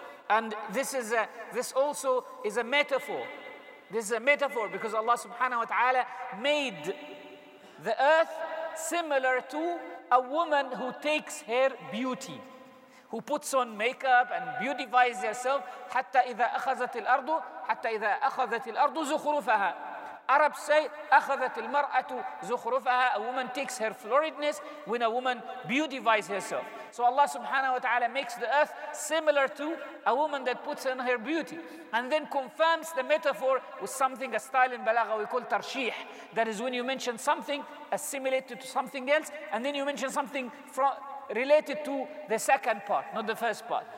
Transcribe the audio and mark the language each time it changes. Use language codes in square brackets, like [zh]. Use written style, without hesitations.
[en] And this is a metaphor because Allah subhanahu wa ta'ala made the earth similar to a woman who takes her beauty, who puts on makeup and beautifies herself. [ar] حتى إذا أخذت الأرض حتى إذا أخذت الأرض زخرفها. [en] Arabs say [ar] أخذت المرأة زخرفها. [en] A woman takes her floridness when a woman beautifies herself. So Allah subhanahu wa ta'ala makes the earth similar to a woman that puts on her beauty, and then confirms the metaphor with something, a style in balagha we call tarshih. That is when you mention something assimilated to something else, and then you mention something related to the second part, not the first part.